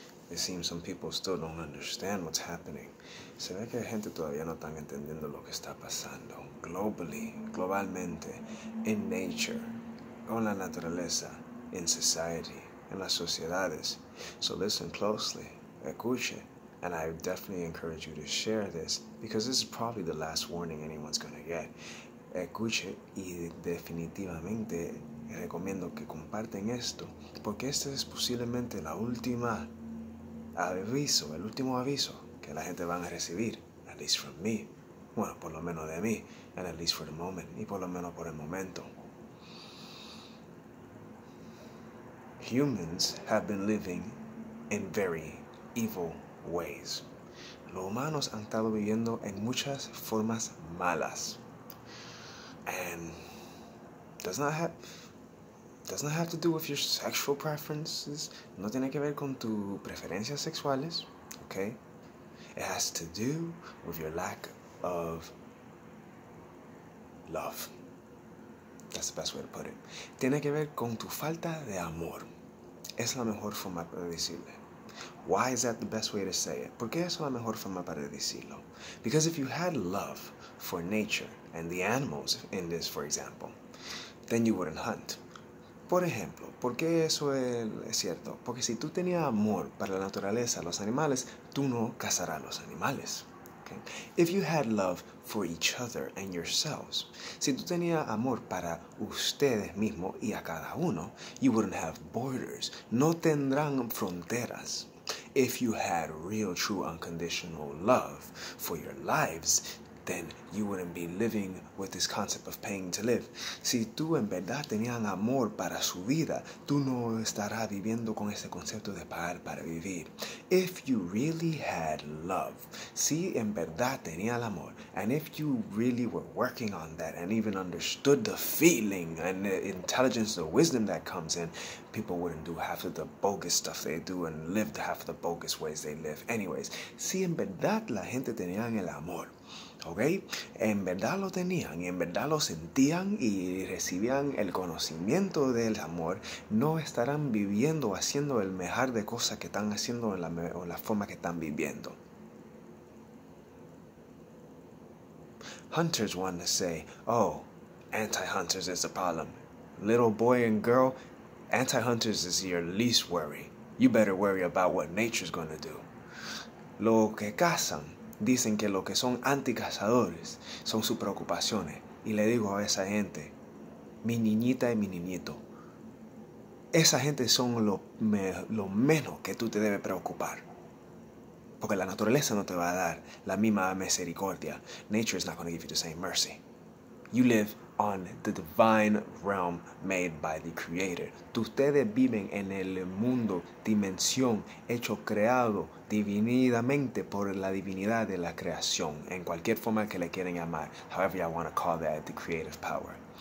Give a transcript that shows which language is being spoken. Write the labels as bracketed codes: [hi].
[en] It seems some people still don't understand what's happening. [es] Se ve que la gente todavía no están entendiendo lo que está pasando. [en] Globally, [es] globalmente, [en] in nature, [es] con la naturaleza, [en] in society, [es] en las sociedades. [en] So listen closely, [es] escuche. [en] And I definitely encourage you to share this, because this is probably the last warning anyone's going to get. [es] Escuche y definitivamente recomiendo que comparten esto, porque esta es posiblemente la última aviso, el último aviso que la gente van a recibir, [en] at least from me, [es] bueno, por lo menos de mí, [en] and at least for the moment, [es] y por lo menos por el momento. [en] Humans have been living in very evil ways. [es] Los humanos han estado viviendo en muchas formas malas. [en] And does not have to do with your sexual preferences. [es] No tiene que ver con tus preferencias sexuales, okay? [en] It has to do with your lack of love. That's the best way to put it. [es] Tiene que ver con tu falta de amor. Es la mejor forma para decirle. [en] Why is that the best way to say it? [es] ¿Por qué es la mejor forma para decirlo? [en] Because if you had love for nature and the animals in this, for example, then you wouldn't hunt. [es] Por ejemplo, ¿por qué eso es cierto? Porque si tú tenías amor para la naturaleza, los animales, tú no cazarás los animales. [en] Okay? If you had love for each other and yourselves, [es] si tú tenías amor para ustedes mismos y a cada uno, [en] you wouldn't have borders. [es] No tendrán fronteras. [en] If you had real, true, unconditional love for your lives, then you wouldn't be living with this concept of paying to live. [es] Si tú en verdad tenías amor para su vida, tú no estarás viviendo con ese concepto de pagar para vivir. [en] If you really had love, [es] si en verdad tenías el amor, [en] and if you really were working on that and even understood the feeling and the intelligence, the wisdom that comes in, people wouldn't do half of the bogus stuff they do and live half of the bogus ways they live. Anyways, [es] si en verdad la gente tenía el amor, okay? En verdad lo tenían y en verdad lo sentían y recibían el conocimiento del amor, no estarán viviendo haciendo el mejor de cosas que están haciendo en la forma que están viviendo. [en] Hunters want to say, oh, anti-hunters is a problem. Little boy and girl, anti-hunters is your least worry. You better worry about what nature's going to do. [es] Lo que cazan, dicen que lo que son anticazadores son sus preocupaciones. Y le digo a esa gente, mi niñita y mi niñito, esa gente son lo menos que tú te debes preocupar. Porque la naturaleza no te va a dar la misma misericordia. [en] Nature is not going to give you the same mercy. You live on the divine realm made by the Creator. [es] Ustedes viven en el mundo, dimensión, hecho creado divinamente por la divinidad de la creación, en cualquier forma que le quieran llamar, [en] however y'all want to call that, the creative power.